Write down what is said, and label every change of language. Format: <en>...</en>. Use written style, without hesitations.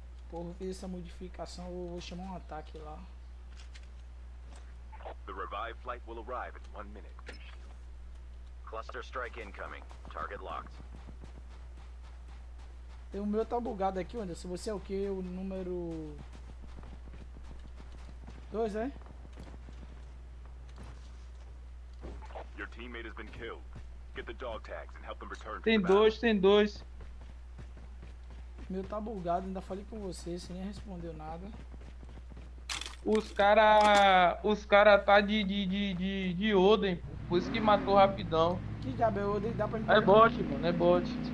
<pt>Porra, fiz essa modificação, eu vou chamar um ataque lá.</pt> <en>The revive flight will arrive in 1 minute. Cluster strike incoming. Target locked.</en> <pt>O meu tá bugado aqui, Anderson. Se você é o quê? O número 2, é? Your teammate has been killed.</pt> <en>Get the dog tags and help them return.</en> <pt>Tem dois, tem dois. O meu tá bugado, ainda falei com você, você nem respondeu nada. Os cara tá de Odin, por isso que matou rapidão. Que diabo é Odin? Dá pra entender. É bot, mano, é bot.</pt>